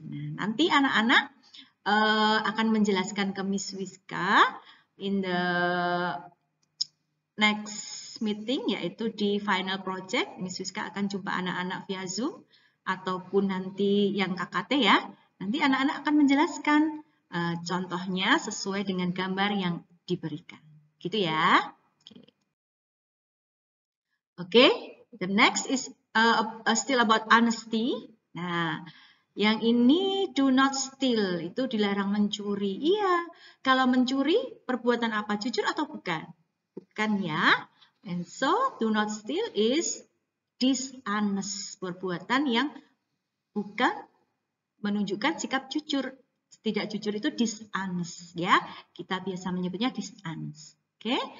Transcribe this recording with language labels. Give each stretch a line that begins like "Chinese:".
Indonesian: Nah, nanti anak-anak akan menjelaskan ke Miss Wiska
English: in the next meeting,
Indonesian: yaitu di final project. Miss Wiska akan jumpa anak-anak via Zoom ataupun nanti yang KKT ya. Nanti anak-anak akan menjelaskan contohnya sesuai dengan gambar yang diberikan. Gitu ya. Oke, okay.
English: The next is still about honesty.
Indonesian: Nah, yang ini
English: do not steal,
Indonesian: itu dilarang mencuri. Iya, kalau mencuri perbuatan apa? Jujur atau bukan? Bukan ya.
English: And so do not steal is dishonest,
Indonesian: perbuatan yang bukan menunjukkan sikap jujur. Tidak jujur itu dishonest ya. Kita biasa menyebutnya dishonest. Okay.